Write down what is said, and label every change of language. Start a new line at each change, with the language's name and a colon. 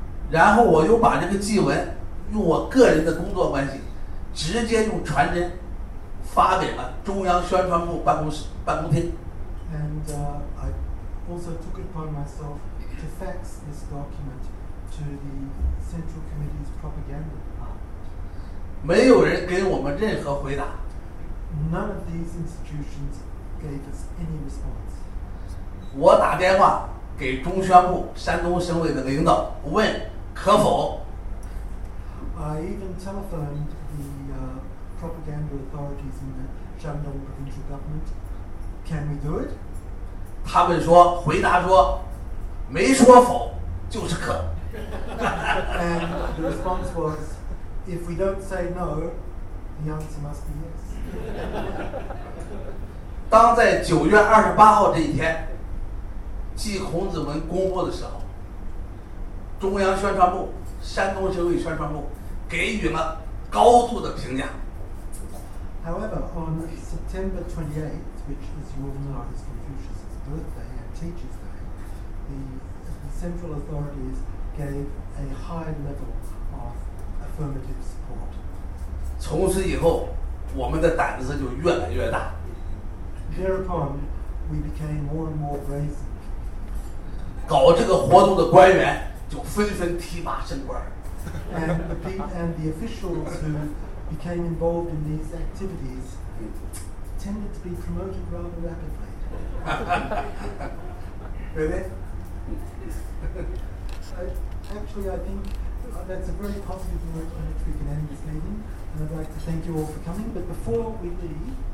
Chinese: 然后我又把这个祭文用我个人的工作关系直接用传真发给了中央宣传部办公室办公厅。
English: And I also took it upon myself to fax this document to the Central Committee's Propaganda.
Chinese: 没有人给我们任何回答。
English: None of these institutions gave us any response.
Chinese: 我打电话给中宣部山东省委的领导，问可否。
English: I even telephoned the propaganda authorities in the Shandong provincial government. Can we do it?
Chinese: 他们说，回答说，没说否，就是可。
English: And the response was. If we don't say no, the answer must be yes.
Chinese: 当在9月28号这一天，祭孔子文公布的时候，中央宣传部、山东省委宣传部给予了高度的评价。
English: However, on September 28th, which, as you all know, is Confucius' birthday and Teacher's Day, the central authorities gave a high level of. Affirmative support.
Chinese: 从此以后，我们的胆子就越来越大。
English: Thereupon, we became more and more brazen.
Chinese: 搞这个活动的官员就纷纷提拔升官。
English: And the officials who became involved in these activities tended to be promoted rather rapidly.
Chinese: 对不对？
English: Actually, I think. That's a very positive note on which we can end this meeting, and I'd like to thank you all for coming. But before we leave.